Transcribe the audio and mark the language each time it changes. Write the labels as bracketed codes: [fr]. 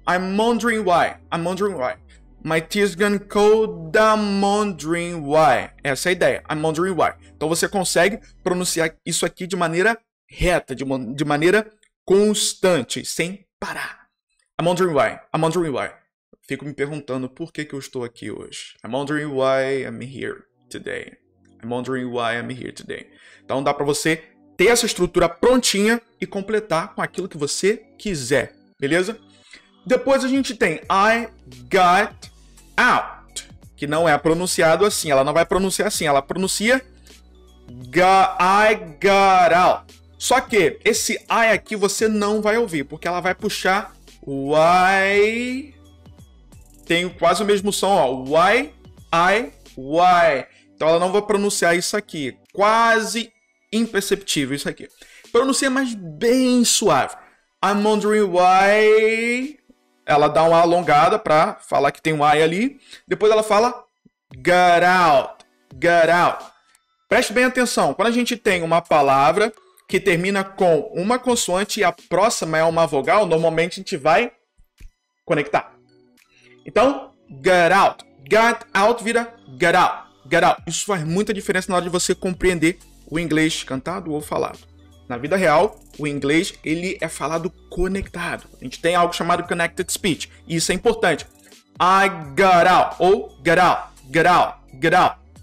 [en] I'm wondering why, I'm wondering why. My tears gone cold, I'm wondering why. [pt] Essa é a ideia. [en] I'm wondering why. [pt] Então você consegue pronunciar isso aqui de maneira reta, de maneira constante, sem parar. [en] I'm wondering why. I'm wondering why. [pt] Fico me perguntando por que que eu estou aqui hoje. [en] I'm wondering why I'm here today. I'm wondering why I'm here today. [pt] Então dá para você ter essa estrutura prontinha e completar com aquilo que você quiser, beleza? Depois a gente tem [en] I got out, [pt] que não é pronunciado assim, ela não vai pronunciar assim, ela pronuncia I got out. Só que esse I aqui você não vai ouvir, porque ela vai puxar o I. Tem quase o mesmo som, ó. Y, I, Y. Então ela não vai pronunciar isso aqui. Quase imperceptível isso aqui. Pronuncia mais bem suave. [en] I'm wondering why. [pt] Ela dá uma alongada para falar que tem um I ali. Depois ela fala [en] get out, get out. [pt] Preste bem atenção. Quando a gente tem uma palavra que termina com uma consoante e a próxima é uma vogal, normalmente a gente vai conectar. Então, [en] get out. Get out [pt] vira [en] get out, get out. [pt] Isso faz muita diferença na hora de você compreender o inglês cantado ou falado. Na vida real, o inglês ele é falado conectado. A gente tem algo chamado connected speech. E isso é importante. [en] I got out. [pt] Ou [en] get out. Get out. Get out.